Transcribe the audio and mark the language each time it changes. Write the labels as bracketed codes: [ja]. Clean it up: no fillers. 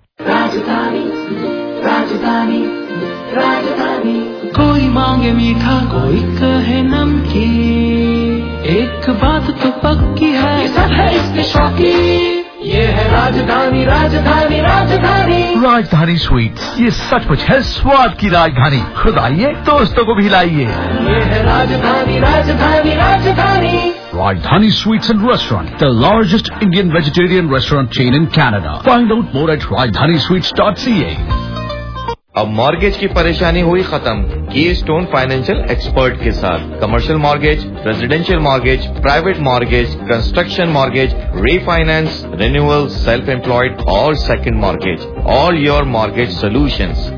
[hi] राजधानी कोई मांगे मीठा कोई कहे नमकीन, एक बात तो पक्की है सब है इसके शौकी। ये है राजधानी राजधानी राजधानी राजधानी स्वीट्स, ये सचमुच है स्वाद की राजधानी। खुद आइए, दोस्तों को भी लाइए। ये है राजधानी राजधानी राजधानी [en] Rajdhani Sweets and Restaurant, the largest Indian vegetarian restaurant chain in Canada. Find out more at rajdhanisweets.ca. [hi] अब मॉर्गेज की परेशानी हुई खत्म कीस्टोन फाइनेंशियल एक्सपर्ट के साथ। [en] Commercial mortgage, residential mortgage, private mortgage, construction mortgage, refinance, renewal, self employed और second mortgage, all your mortgage solutions.